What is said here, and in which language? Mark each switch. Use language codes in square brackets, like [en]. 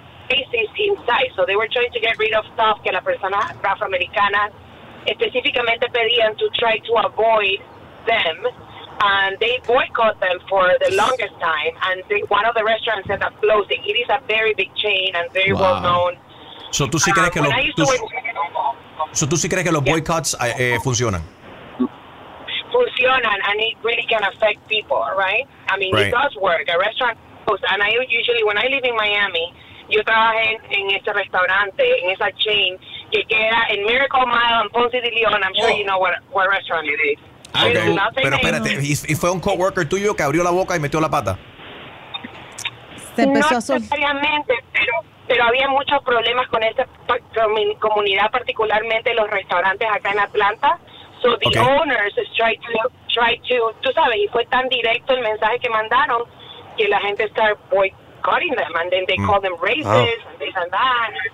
[en] Inside, so they were trying to get rid of stuff [es] que la persona afroamericana específicamente pedían [en] to try to avoid them, and they boycott them for the longest time, and one of the restaurants ended up closing. It is a very big chain and very well known. [es] So tú sí crees que los boycotts funcionan. Funcionan, [en] and it really can affect people, right? I mean, right. It does work. A restaurant closed, and I usually when I live in Miami. [es] Yo trabajé en ese restaurante, en esa chain, que queda en Miracle Mile and Ponce de León. [en] I'm sure you know what restaurant it is. Okay. [es] Pero espérate, ¿y fue un coworker tuyo que abrió la boca y metió la pata? Se empezó no necesariamente, pero había muchos problemas con esta comunidad, particularmente los restaurantes acá en Atlanta. [en] So the okay. owners tried to, [es] tú sabes, y fue tan directo el mensaje que mandaron que la gente [en] started boycotting them, and then they called them racist, and this and that.